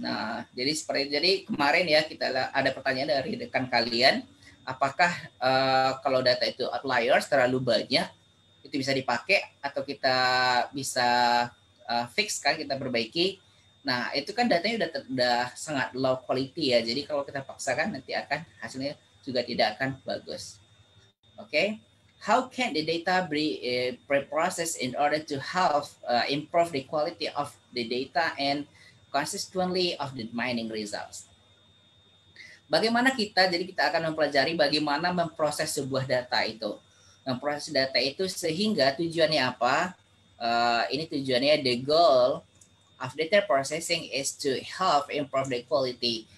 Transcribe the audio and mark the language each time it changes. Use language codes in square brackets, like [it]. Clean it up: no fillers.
[id] Nah, jadi seperti jadi kemarin ya, kita ada pertanyaan dari rekan kalian, apakah kalau data itu outliers, terlalu banyak, itu bisa dipakai atau kita bisa fix kan, kita perbaiki. Nah, itu kan datanya udah sangat low quality ya. Jadi kalau kita paksakan nanti akan hasilnya juga tidak akan bagus. [en] Okay. How can the data be preprocessed in order to help improve the quality of the data and consistently of the mining results? [id] Bagaimana kita, jadi kita akan mempelajari bagaimana memproses sebuah data itu. Memproses data itu sehingga tujuannya apa? Ini tujuannya, [en] the goal of data processing is to help improve the quality.